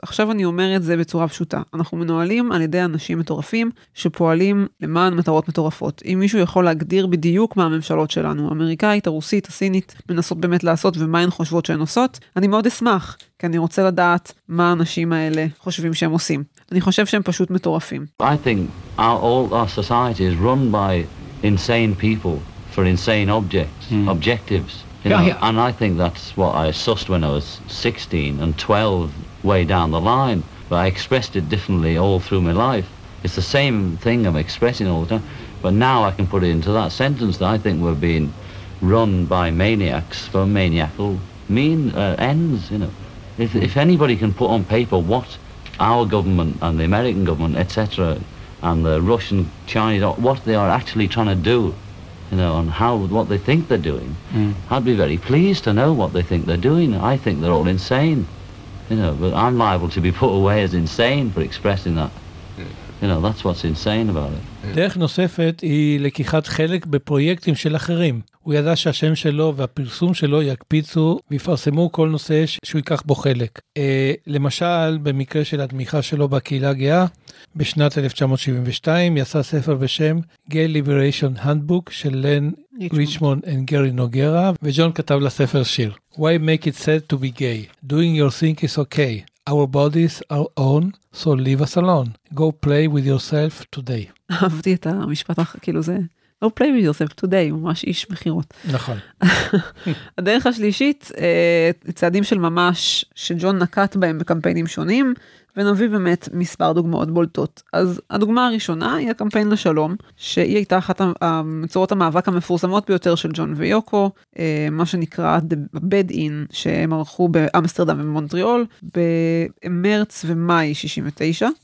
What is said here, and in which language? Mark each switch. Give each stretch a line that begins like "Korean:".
Hebrew: עכשיו אני אומר את זה בצורה פשוטה. אנחנו מנוהלים על ידי אנשים מטורפים שפועלים למען מטרות מטורפות. אם מישהו יכול להגדיר בדיוק מה הממשלות שלנו, האמריקאית, הרוסית, הסינית, מנסות באמת לעשות ומה הן חושבות שהן עושות, אני מאוד אשמח, כי אני רוצה לדעת מה האנשים האלה חושבים שהם עושים. אני חושב שהם פשוט מטורפים.
English: I think our society is run by insane people for insane objects, objectives. And I think that's what I sussed when I was 16 and 12 way down the line. But I expressed it differently all through my life. It's the same thing I'm expressing all the time. But now I can put it into that sentence that I think we're being run by maniacs for maniacal ends, you know. If anybody can put on paper what our government and the American government, etc., and the Russian, Chinese, what they are actually trying to do, you know, and how, what they think they're doing, I'd be very pleased to know what they think they're doing. I think they're all insane, you know, but I'm liable to be put away as insane for expressing that. You know, that's what's insane about it.
Hebrew: דרך נוספת היא לקיחת חלק בפרויקטים של אחרים. הוא ידע שהשם שלו והפרסום שלו יקפיצו ויפרסמו כל נושא שהוא ייקח בו חלק. למשל, במקרה של התמיכה שלו בקהילה גאה, בשנת 1972 יצא ספר בשם Gay Liberation Handbook של לן ריצ'מון and גרי נוגרה, וג'ון כתב לספר שיר.
English: Why make it sad to be gay? Doing your thing is okay. Our bodies are on, so leave us alone. Go play with yourself today.
Hebrew: אהבתי את המשפט, כאילו זה,
English: Go play with yourself today,
Hebrew: ממש איש מכירות. נכון. הדרך השלישית, צעדים של ממש, שג'ון נקט בהם בקמפיינים שונים, ונביא באמת מספר דוגמאות בולטות. אז הדוגמה הראשונה היא הקמפיין לשלום, שהיא הייתה אחת המצורות המאבק המפורסמות ביותר של ג'ון ויוקו, מה שנקרא The Bed In, שהם ערכו באמסטרדם ומונטריאול, במרץ ומאי 69.